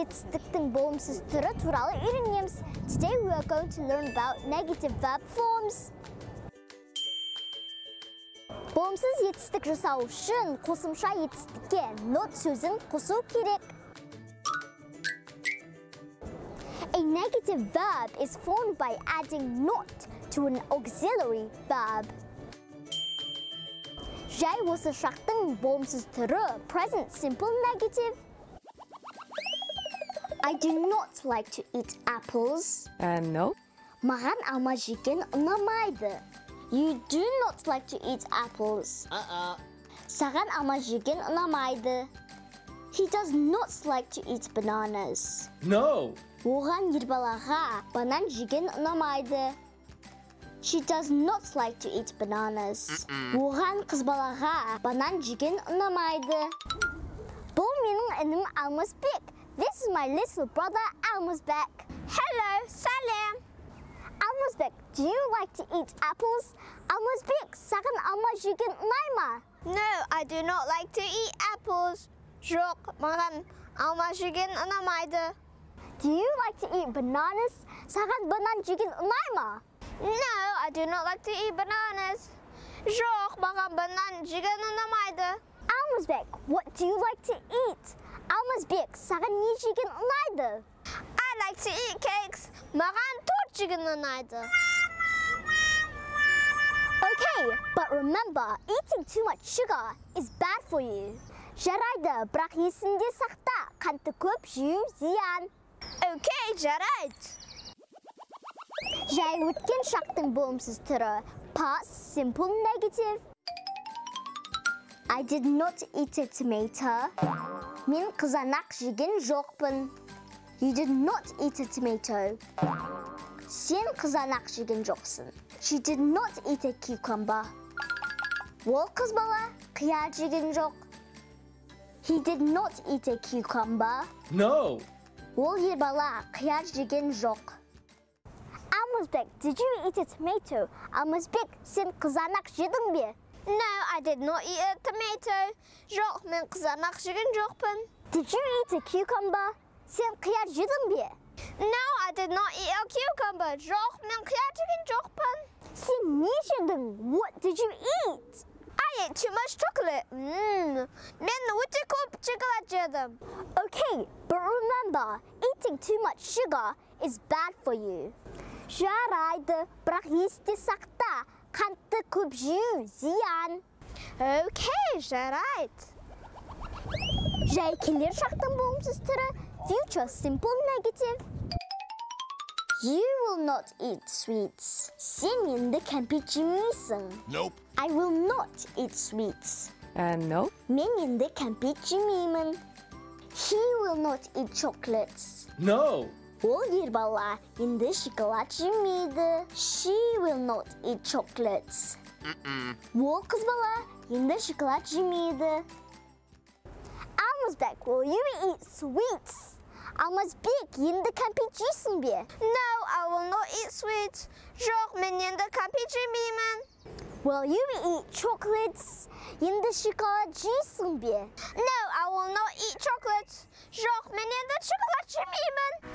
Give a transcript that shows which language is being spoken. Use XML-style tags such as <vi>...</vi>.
<en>Today we are going to learn about negative verb forms.</en> <kk>Болымсыз етістік жасау үшін қосымша етістікке not сөзін қосу керек.</kk> <en>A negative verb is formed by adding not to an auxiliary verb.</en> <kk>Жай осы шақтың болымсыз түрі</kk> <en>present simple negative. I do not like to eat apples. No.</en> <kk>Маған алма жеген ұнамайды.</kk> <en>You do not like to eat apples.</en> <kk>Саған алма жеген ұнамайды.</kk> <en>He does not like to eat bananas. No.</en> <kk>Оған ербалаға банан жеген ұнамайды.</kk> <en>She does not like to eat bananas.</en> <kk>Оған қызбалаға банан жеген ұнамайды. Бұл менің інім Алмасбек.</kk> <en>This is my little brother, Алмасбек. Hello,</en> <kk>салем.</kk> <en>Алмасбек, do you like to eat apples?</en> <kk>Алмасбек, саған алма жеген ұнай ма?</kk> <en>No, I do not like to eat apples.</en> <kk>Жоқ, маған алма жеген ұнамайды.</kk> <en>Do you like to eat bananas?</en> <kk>Саған банан жеген ұнай ма?</kk> <en>No, I do not like to eat bananas.</en> <kk>Жоқ, маған банан жеген ұнамайды.</kk> <en>Алмасбек, what do you like to eat?</en> <kk>Алмасбек, саған не жеген ұнайды?</kk> <en>I like to eat cakes.</en> <kk>Маған торт жеген ұнайды.</kk> <en>Okay, but remember, eating too much sugar is bad for you.</en> <kk>Жарайды, бірақ есіңде сақта, қанты көп жеу зиян.</kk> <en>Okay,</en> <kk>жарайды. Жай өткен шақтың болымсыз түрі,</kk> <en>past simple negative. I did not eat a tomato.</en> <kk>Мен қызанақ жеген жоқпын.</kk> <en>You did not eat a tomato.</en> <kk>Сен қызанақ жеген жоқсың.</kk> <en>She did not eat a cucumber.</en> <kk>Ол қыз бала қияр жеген жоқ.</kk> <en>He did not eat a cucumber. No.</en> <kk>Ол ер бала қияр жеген жоқ.</kk> <en>Алмасбек, did you eat a tomato?</en> <kk>Алмасбек, сен қызанақ жедің бе?</kk> <en>No, I did not eat a tomato.</en> <kk>Жоқ, мен қызанақ жеген жоқпын.</kk> <en>Did you eat a cucumber?</en> <kk>Сен қияр жедің бе?</kk> <en>No, I did not eat a cucumber.</en> <kk>Жоқ, мен қияр жеген жоқпын. Сен не жедің?</kk> <en>What did you eat? I ate too much chocolate.</en> <kk>Мен өте көп шоколад жедім.</kk> <en>Okay, but remember, eating too much sugar is bad for you.</en> <kk>Жарайды, бірақ есте сақта. Қантты көп жеу зиян.</kk> <en>Okay,</en> <kk>жарайды. Жай келер шақтың болымсыз түрі</kk> <en>future simple negative. You will not eat sweets.</en> <kk>Сен енді кәмпит жемейсің.</kk> <en>Nope. I will not eat sweets. No.</en> <kk>Мен енді кәмпит жемеймін.</kk> <en>He will not eat chocolates. No.</en> <kk>Ол ер бала енді шоколад жемейді.</kk> <en>She will not eat chocolates.</en> <kk>Ол қыз бала енді шоколад жемейді.</kk> <en>Алмасбек, will you eat sweets?</en> <kk>Алмасбек, енді кәмпит жейсің бе?</kk> <en>No, I will not eat sweets.</en> <kk>Жоқ, мен енді кәмпит жемеймін.</kk> <en>Will you eat chocolates?</en> <kk>Енді шоколад жейсің бе?</kk> <en>No, I will not eat chocolates.</en> <kk>Жоқ, мен енді шоколад жемеймін.</kk>